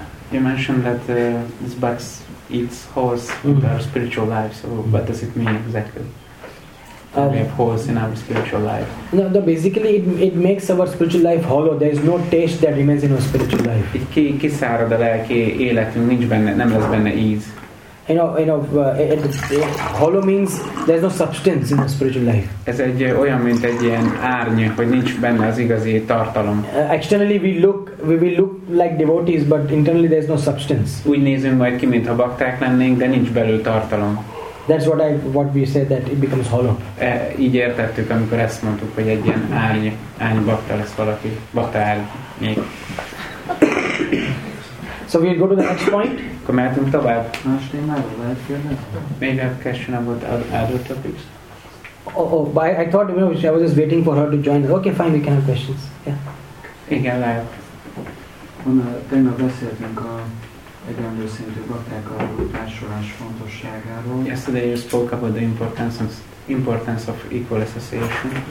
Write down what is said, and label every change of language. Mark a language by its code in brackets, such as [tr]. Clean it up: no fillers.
[en] You mentioned that this bug eats holes in our spiritual life, so what does it mean exactly? We have holes in our spiritual life. No, basically it makes our spiritual life hollow. There is no taste that remains in our spiritual life. [hu] Itt kiszárad a lelki életünk, nincs benne, nem lesz benne íz. [en] You know, hollow means there is no substance in our spiritual life. [hu] Ez egy olyan, mint egy ilyen árny, hogy nincs benne az igazi tartalom. [en] Externally we look like devotees, but internally there is no substance. [hu] Úgy nézünk majd ki, mintha bakták lennénk, de nincs belül tartalom. [en] That's what we said, that it becomes hollow. [hu] Így értettük, amikor ezt mondtuk, hogy egy ilyen árny bakta lesz valaki, bakta árnyék. [en] So we'll go to the next point. [hu] Akkor mehetünk tovább. Más témáról lehet kérdezni? Még a [en] question about other topics? I thought, you know, I was just waiting for her to join. Okay, fine, we can have questions. Yeah. [hu] Igen, lehet. Tegnap beszéltünk egyenlő szintű baktákkal való társulás fontosságáról. [en] Yesterday you spoke about the importance of equal association.